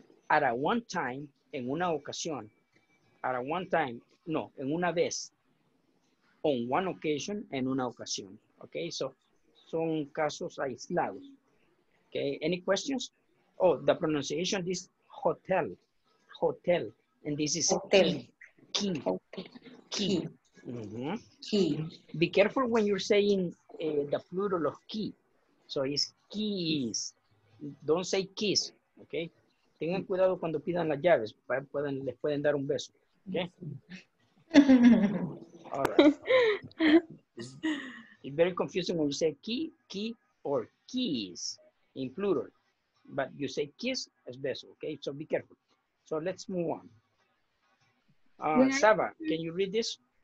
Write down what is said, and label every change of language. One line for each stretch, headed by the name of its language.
English: At a one time,
Spanish: en una ocasión,
English: at a one time, no,
Spanish: en una vez,
English: on one occasion, en una ocasión. Okay, so,
Spanish: son casos aislados.
English: Okay, any questions? Oh, the pronunciation is hotel, and this is hotel. Key. Key. Be careful when you're saying the plural of key. So it's keys. Don't say keys, okay?
Spanish: Tengan cuidado cuando pidan las llaves, les pueden dar un beso, okay?
English: All right. It's very confusing when you say key or keys in plural. But you say kiss as beso, okay? So be careful. So let's move on. Saba, can you read this?